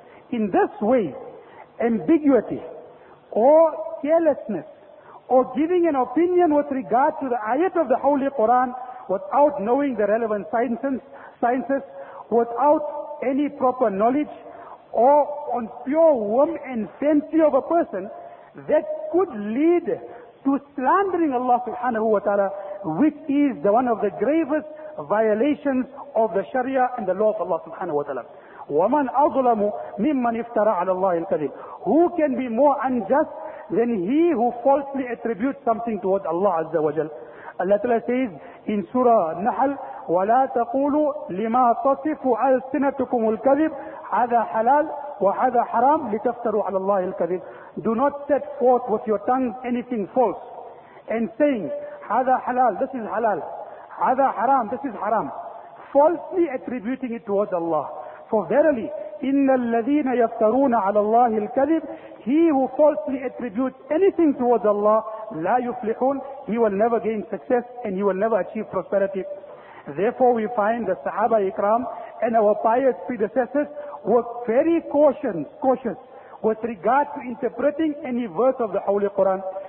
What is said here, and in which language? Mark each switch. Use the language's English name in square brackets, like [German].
[English] In this way, ambiguity or carelessness or giving an opinion with regard to the ayat of the Holy Quran without knowing the relevant sciences, without any proper knowledge, or on pure whim and fancy of a person, that could lead to slandering Allah subhanahu wa ta'ala, which is the one of the gravest violations of the Sharia and the law of Allah subhanahu wa ta'ala. [Arabic] وَمَنْ أَظْلَمُ مِمَّنْ افْتَرَى عَلَى اللَّهِ الْكَذِبِ. [English] Who can be more unjust than he who falsely attributes something towards Allah Azza wa Jal? Allah Ta'ala says in Surah Nahl, [Arabic] وَلَا تَقُولُوا لِمَا تَصِفُ أَلْسِنَتُكُمُ الْكَذِبِ هَذَا حَلَالٌ وَهَذَا حَرَامٌ لِتَفْتَرُوا عَلَى اللَّهِ الْكَذِبِ. [English] Do not set forth with your tongue anything false, and saying, [Arabic] هذا حلال, [English] this is حلال, [Arabic] هذا حرام, [English] this is حرام, falsely attributing it towards Allah. For verily, [Arabic] إِنَّ الَّذِينَ يَفْتَرُونَ عَلَى اللَّهِ الْكَذِبِ. [English] He who falsely attributes anything towards Allah, [Arabic] لا يفلحون, [English] he will never gain success and he will never achieve prosperity. Therefore we find the Sahaba Ikram and our pious predecessors were very cautious with regard to interpreting any verse of the Holy Quran.